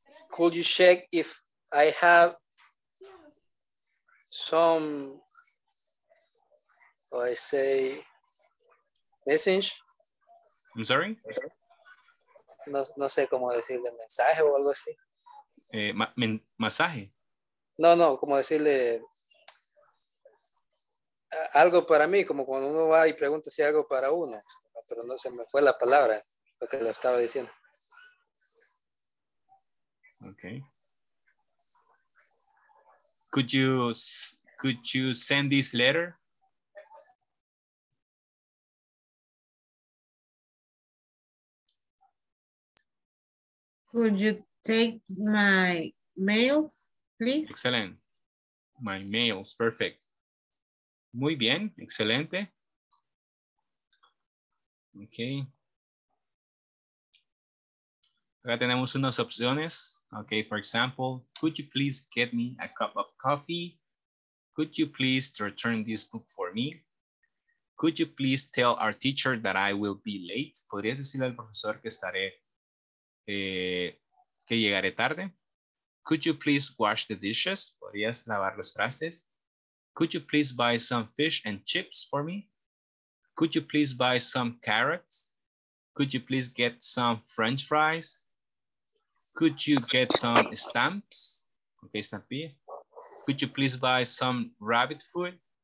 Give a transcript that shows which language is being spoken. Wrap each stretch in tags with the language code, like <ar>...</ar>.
<en>Could you check if I have some, or I say, message? I'm sorry?</en> <es>No sé cómo decirle, mensaje o algo así. ¿Masaje? No, como decirle algo para mí, como cuando uno va y pregunta si algo para uno, pero no se me fue la palabra lo que lo estaba diciendo.</es> <en>Okay. Could you send this letter? Could you take my mails, please? Excellent. My mails, perfect.</en> <es>Muy bien, excelente.</es> <en>Ok.</en> <es>Acá tenemos unas opciones.</es> <en>Ok, for example, could you please get me a cup of coffee? Could you please return this book for me? Could you please tell our teacher that I will be late?</en> <es>¿Podrías decirle al profesor que estaré, que llegaré tarde?</es> <en>Could you please wash the dishes?</en> <es>¿Podrías lavar los trastes?</es> <en>Could you please buy some fish and chips for me? Could you please buy some carrots? Could you please get some French fries? Could you get some stamps? Okay, stamp. Could you please buy some rabbit food?</en>